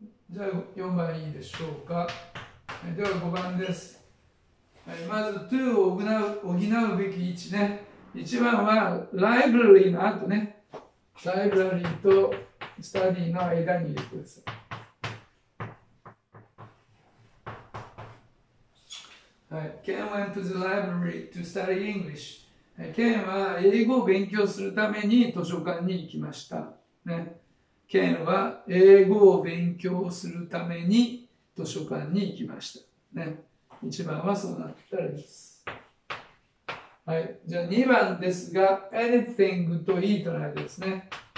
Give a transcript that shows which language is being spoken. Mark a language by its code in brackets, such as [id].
[ja] じゃあ4番いいでしょうか。では5番です。まず to を補うべき位置ね。1番はライブラリーの後ね。ライブラリーとスタディの間に入れてください。 [en] はい、Ken went to the library to study English. [ja] Ken は英語を勉強するために図書館に行きました。ね。 Ken は英語を勉強するために図書館に行きました。ね、1番はそうなったらいいです。はい、じゃあ2番ですが、anything と eat の間ですね。